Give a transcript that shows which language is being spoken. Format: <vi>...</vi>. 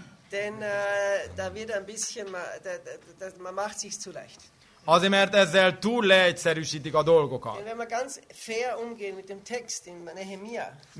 <de>Denn da wird ein bisschen man macht sich zu leicht.</de> <hu>Azért, mert ezzel túl leegyszerűsítik a dolgokat.</hu> <de>Wenn man ganz fair umgeht mit dem Text in Nehemia.</de>